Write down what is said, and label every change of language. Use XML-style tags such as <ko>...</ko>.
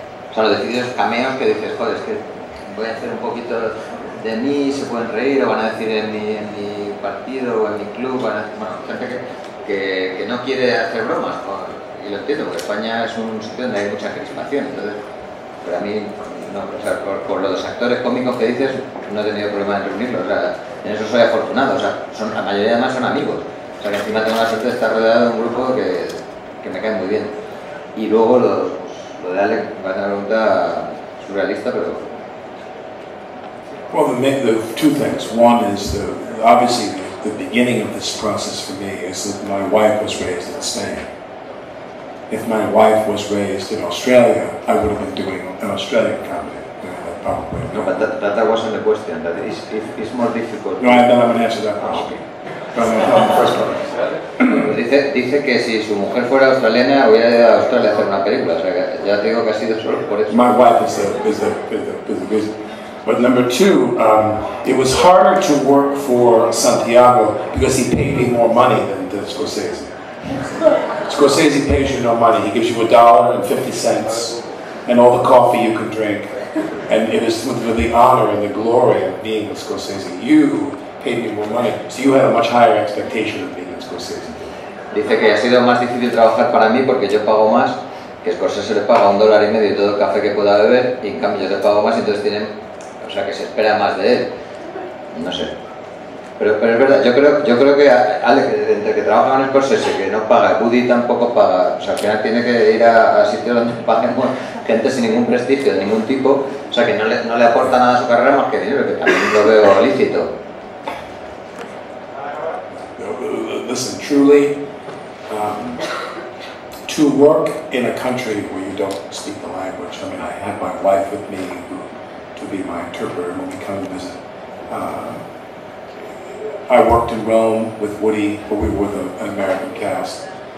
<es>O sea, lo decidido es cameos que dices, joder, es que voy a hacer un poquito de mí, se pueden reír, o van a decir en mi partido o en mi club, van a, bueno, gente que no quiere hacer bromas, y lo entiendo, porque España es un sitio donde hay mucha crispación, entonces, pero a mí, no, o sea, por los actores cómicos que dices, no he tenido problema en reunirlos, o sea, en eso soy afortunado, o sea, la mayoría además son amigos, o sea, que encima tengo la suerte de estar rodeado de un grupo que me cae muy bien. Y luego lo de Alec, va a tener una pregunta surrealista, pero...</es> <en>Well, the two things. One is obviously the beginning of this process for me is that my wife was raised in Spain. If my wife was raised in Australia, I would have been doing an Australian comedy. But that wasn't the question. That is, it's more difficult. No, I'm not going to answer that question. Okay.</en> <es>Dice que si su mujer fuera australiana hubiera ido a Australia a hacer una película. O sea, que ya tengo casi de solo por eso.</es> <en>My wife is the But number two, it was harder to work for Santiago because he paid me more money than Scorsese. Scorsese pays you no money. He gives you $1.50 and all the coffee you can drink. And it is with the honor and the glory of being with Scorsese. You paid me more money, so you had a much higher expectation of being with Scorsese.</en> <es>Dice que ha sido más difícil trabajar para mí porque yo pago más, que Scorsese le paga $1.50 todo el café que pueda beber, y en cambio yo te pago más, entonces tienen... O sea, que se espera más de él. No sé. Pero es verdad, yo creo que Alex, entre que trabaja con Scorsese, que no paga, Woody tampoco paga, o sea, al final tiene que ir a sitios donde paguen gente sin ningún prestigio, de ningún tipo, o sea, que no le aporta nada a su carrera más que dinero, que también lo veo lícito.</es> <en>Listen, truly, to work in a country where you don't speak the language, I mean, I have my wife with me, to be my interpreter when we come to visit. I worked in Rome with Woody, but we were the American cast.</en>